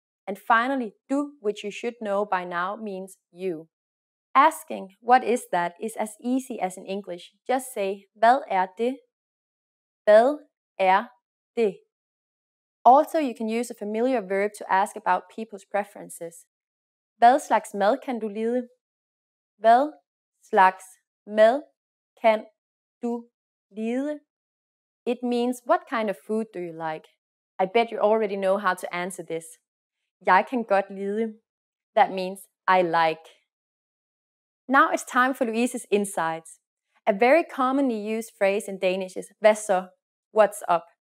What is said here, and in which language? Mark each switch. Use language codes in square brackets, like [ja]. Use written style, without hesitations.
[en] And finally, du, which you should know by now, means you. Asking what is that is as easy as in English. Just say, hvad er det? Hvad er det? Also, you can use a familiar verb to ask about people's preferences. [da] Hvad slags mad kan du lide? Hvad slags mad kan du lide? [en] It means, what kind of food do you like? I bet you already know how to answer this. Jeg kan godt lide. That means, I like. Now it's time for Louise's insights. A very commonly used phrase in Danish is hvad så, what's up.